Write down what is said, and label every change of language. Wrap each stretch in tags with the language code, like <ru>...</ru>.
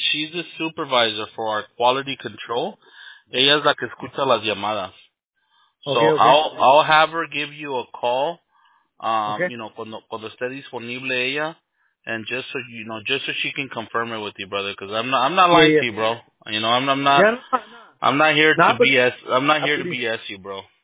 <en>She's the supervisor for our quality control.</en> <es>Ella es la que escucha las llamadas.</es> <en>So I'll have her give you a call, okay. You know,</en> <es>cuando esté disponible ella,</es> <en>and just so, you know, just so she can confirm it with you, brother, because I'm not lying to you, bro. You know, I'm not here to BS you, bro.</en>